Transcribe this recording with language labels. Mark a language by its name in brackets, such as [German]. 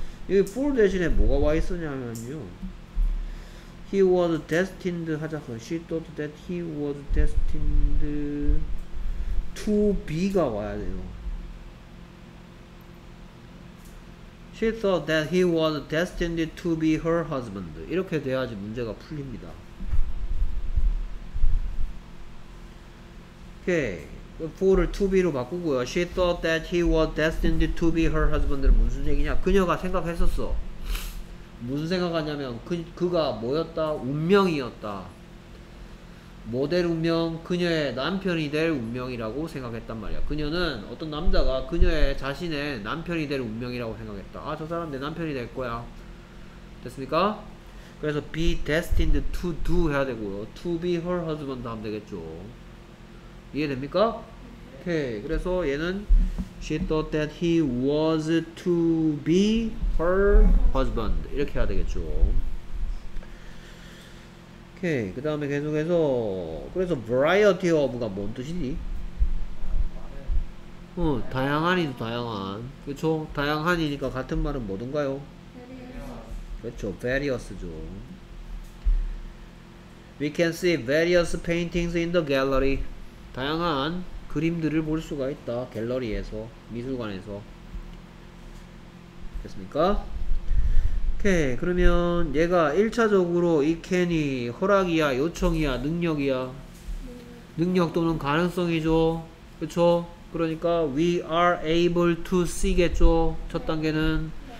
[Korean] 여기 for 대신에 뭐가 와 있었냐면요. [English] He was destined [Korean] 하자. [English] She thought that he was destined to be가 [Korean] 와야 돼요. [English] She thought that he was destined to be her husband. [Korean] 이렇게 돼야지 문제가 풀립니다. [English] Okay. For를 to be로 [Korean] 바꾸고요. [English] She thought that he was destined to be her husband를 [Korean] 무슨 얘기냐? 그녀가 생각했었어. 무슨 생각하냐면 그가 뭐였다? 운명이었다. 뭐 될 운명? 그녀의 남편이 될 운명이라고 생각했단 말이야. 그녀는 어떤 남자가 그녀의 자신의 남편이 될 운명이라고 생각했다. 아, 저 사람 내 남편이 될 거야. 됐습니까? 그래서 be destined to do 해야 되고요. [English] To be her husband [Korean] 하면 되겠죠. 이해됩니까? 오케이. 그래서 얘는 [English] she thought that he was to be her husband [Korean] 이렇게 해야 되겠죠. 오케이. 그 다음에 계속해서 그래서 variety of가 뭔 뜻이지? 어, 다양한이죠. 다양한. 그렇죠? 다양한이니까 같은 말은 뭐든가요? 그렇죠. various죠. [English] We can see various paintings in the gallery. [Korean] 다양한 그림들을 볼 수가 있다. 갤러리에서, 미술관에서. 됐습니까? 오케이. 그러면 얘가 1차적으로 이 캔이 허락이야, 요청이야, 능력이야? 능력 또는 가능성이죠. 그쵸? 그러니까 [English] we are able to see [Korean] 겠죠. 첫 단계는.